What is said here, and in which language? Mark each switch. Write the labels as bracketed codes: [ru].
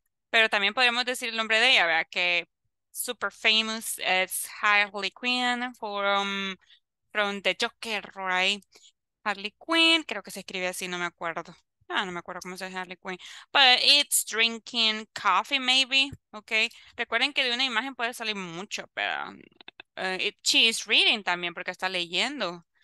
[es] Pero también podemos decir el nombre de ella, ¿verdad? [en] Que super famous as Harley Quinn from the Joker, right? [es] Harley Quinn, creo que se escribe así, no me acuerdo. Ah, no me acuerdo cómo se dice Harley Quinn. [en] But it's drinking coffee, maybe. Okay. [es] Recuerden que de una imagen puede salir mucho, pero [en] she is reading [es] también porque está leyendo.